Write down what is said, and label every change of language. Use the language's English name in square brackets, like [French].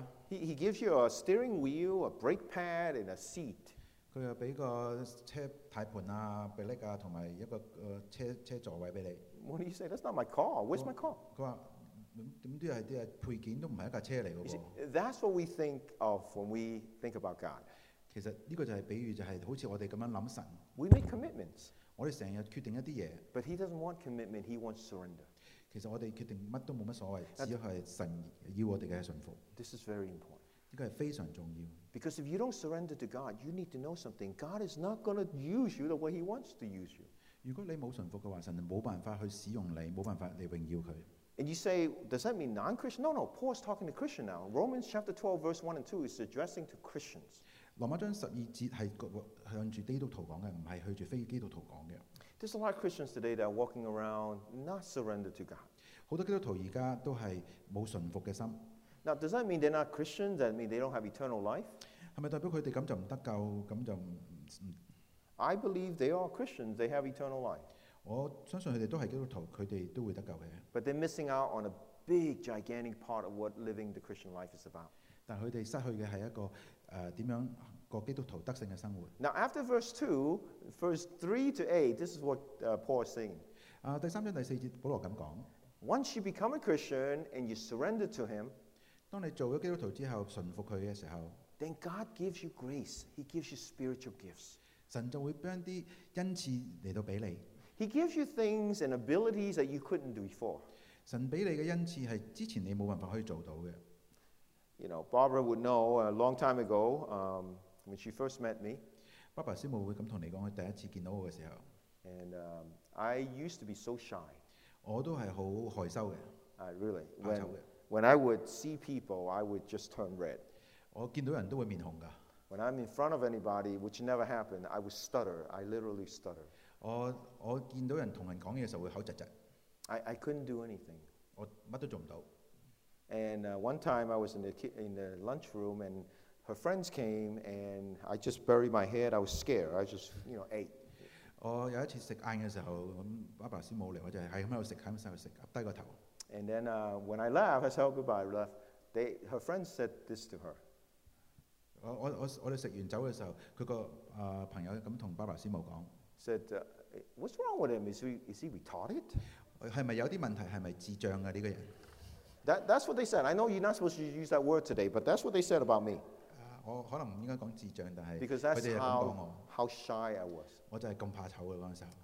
[English] He gives you a steering wheel, a brake pad, and a seat. [Cantonese] 佢又俾個車胎盤啊、臂力啊，同埋一個車座位俾你。 [English] What do you say? That's not my car. Where's my car? [Cantonese] 佢話點都係啲配件，都唔係一架車嚟嘅喎。 [English] That's what we think of when we think about God. [Cantonese] 其實呢個就係比喻，就係好似我哋咁樣諗神。 [English] We make commitments. [Cantonese] 我哋成日決定一啲嘢。 [English] But He doesn't want commitment. He wants surrender. [Cantonese] 其實我哋決定乜都冇乜所謂，只係神要我哋嘅順服。 [English] This is very important. [Cantonese] 呢個係非常重要。 [English] Because if you don't surrender to God, you need to know something. God is not going to use you the way He wants to use you. [Cantonese] 如果你冇順服嘅話，神冇辦法去使用你，冇辦法嚟榮耀佢。 [English] And you say, does that mean non-Christian? No, no. Paul is talking to Christian now. Romans chapter 12, verse 1 and 2 is addressing to Christians. [Cantonese] 羅馬章十二節係向住基督徒講嘅，唔係向住非基督徒講嘅。 [English] There's a lot of Christians today that are walking around not surrendered to God. [Cantonese] 好多基督徒而家都係冇順服嘅心。 [English] Now, does that mean they're not Christians? That mean they don't have eternal life? [Cantonese] 係咪代表佢哋咁就唔得救？咁就唔 [English] ？I believe they are Christians. They have eternal life. [Cantonese] 我相信佢哋都係基督徒，佢哋都會得救嘅。 [English] But they're missing out on a big, gigantic part of what living the Christian life is about. [Cantonese] 但佢哋失去嘅係一個點樣？ [English] Now, after verse 2, verse 3 to 8, this is what Paul is saying. [Cantonese] 第三章第四節，保羅咁講。 [English] Once you become a Christian and you surrender to him, [Cantonese] 當你做咗基督徒之後，順服佢嘅時候， [English] then God gives you grace. He gives you spiritual gifts. [Cantonese] 神就會將啲恩賜嚟到俾你。 [English] He gives you things and abilities that you couldn't do before. [Cantonese] 神俾你嘅恩賜係之前你冇辦法可以做到嘅。 [English] You know, Barbara would know a long time ago, when she first met me. [Cantonese] Barbara 師母會咁同你講，佢第一次見到我嘅時候。 [English] And I used to be so shy. [Cantonese] 我都係好害羞嘅。 [English] Really? When I would see people, I would just turn red. [Cantonese] 我見到人都會面紅㗎。 [English] When I'm in front of anybody, which never happened, I would stutter. I literally stutter. [Cantonese] 我見到人同人講嘢嘅時候會口窒窒。 [English] I couldn't do anything. [Cantonese] 我乜都做唔到。 [English] And one time I was in the lunchroom and her friends came and I just buried my head. I was scared. I just, you know, ate. [Cantonese] 我有一次食晏嘅時候，咁爸爸先冇嚟，我就係咁喺度食，咁喺度食，耷低個頭。 [English] And then when I left, I said goodbye. Left. Her friends said this to her. [Cantonese] 我哋食完酒嘅時候，佢個朋友咁同爸爸先冇講。 [English] Said, what's wrong with him? Is he retarded? [Cantonese] 係咪有啲問題？係咪智障啊？呢個人？ [English] That's what they said. I know you're not supposed to use that word today, but that's what they said about me. [Cantonese] 我可能唔應該講智障，但係 [English] Because that's how shy I was. [Cantonese] 我就係咁怕醜嘅嗰陣時候。